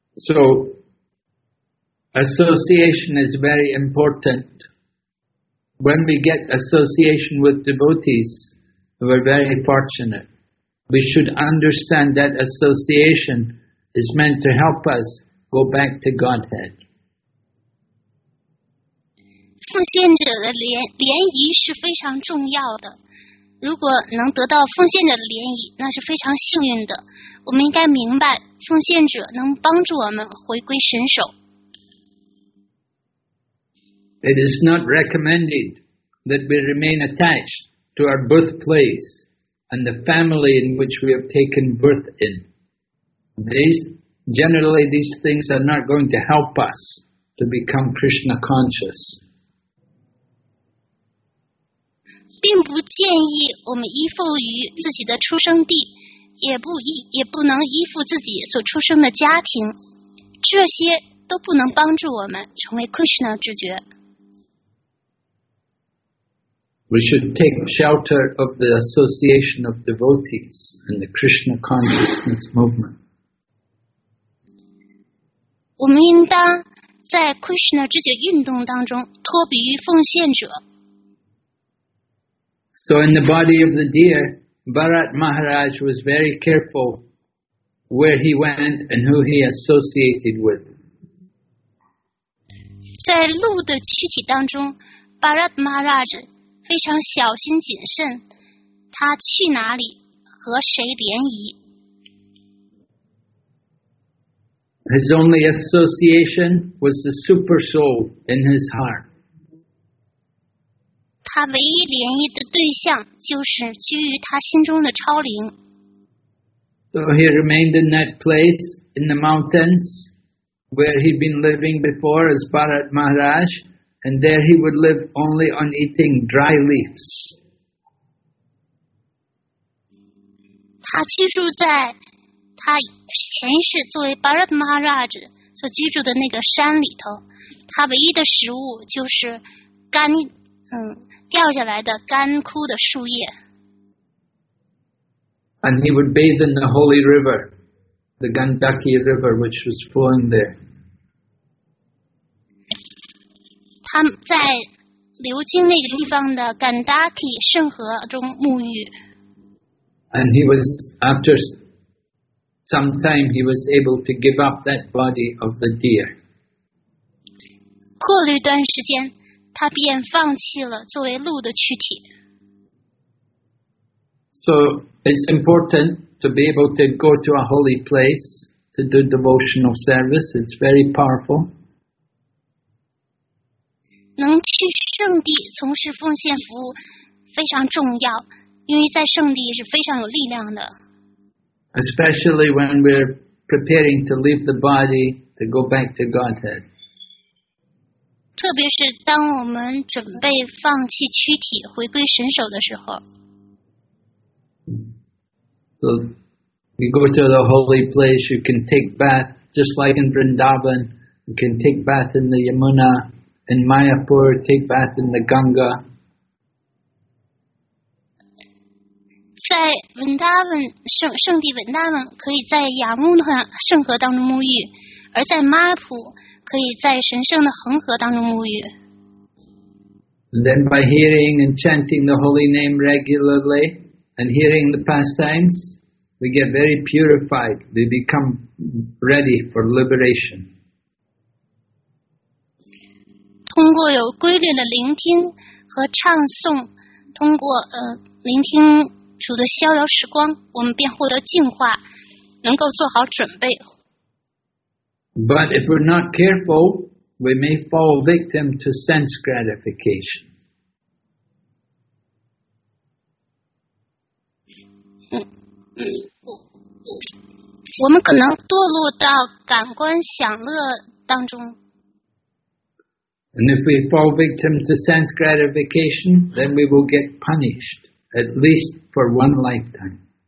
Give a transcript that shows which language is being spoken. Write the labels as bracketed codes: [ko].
[en] So, association is very important. When we get association with devotees, we're very fortunate. We should understand that association is meant to help us go back to Godhead. [zh] 奉献者的联谊是非常重要的。如果能得到奉献者的联谊，那是非常幸运的。我们应该明白，奉献者能帮助我们回归神首。 [en] It is not recommended that we remain attached to our birthplace and the family in which we have taken birth in. These things are not going to help us to become Krishna conscious. [zh] 并不建议我们依附于自己的出生地，也不能依附自己所出生的家庭，这些都不能帮助我们成为 Krishna 知觉。 [en] We should take shelter of the association of devotees and the Krishna consciousness movement. [zh] 我们应当在 Krishna 知觉运动当中脱离于奉献者。 [en] So in the body of the deer, Bharat Maharaj was very careful where he went and who he associated with. [zh] 在鹿的躯体当中 ，Bharat Maharaj 非常小心谨慎，他去哪里和谁联谊 [en] ？His only association was the super soul in his heart. [zh] 他唯一联谊的对象就是居于他心中的超灵。 [en] So he remained in that place in the mountains where he'd been living before as Bharat Maharaj, and there he would live only on eating dry leaves. [zh] 他居住在他前世作为 Bharat Maharaj 所居住的那个山里头，他唯一的食物就是干，掉下来的干枯的树叶。 [en] And he would bathe in the holy river, the Gandaki River, which was flowing there. [zh] 他在流经那个地方的 Gandaki 圣河中沐浴。 [en] And he was, after some time, he was able to give up that body of the deer. [zh] 过了一段时间他便放弃了作为鹿的躯体。 [en] So it's important to be able to go to a holy place to do devotional service. It's very powerful. [zh] 能去圣地从事奉献服务非常重要，因为在圣地是非常有力量的。 [en] Especially when we're preparing to leave the body to go back to Godhead. [zh] 特别是当我们准备放弃躯体回归神首的时候 [en] So, you go to the holy place, you can take bath, just like in Vrindavan, you can take bath in the Yamuna, in Mayapur, take bath in the Ganga. [zh] 在 Vrindavan, 圣地 Vrindavan, 可以在雅穆那圣河当中沐浴，而在 Mayapur,可以在神圣的恒河当中沐浴。 [en] then by hearing and chanting the holy name regularly and hearing the pastimes, we get very purified. We become ready for liberation. [zh] 通过有规律的聆听和唱诵，通过聆听主的逍遥时光，我们便获得净化，能够做好准备。 [en] But if we're not careful, we may fall victim to sense gratification. [zh] 我们可能堕落到感官享乐当中。 [en] And if we fall victim to sense gratification, then we will get punished, at least for one lifetime.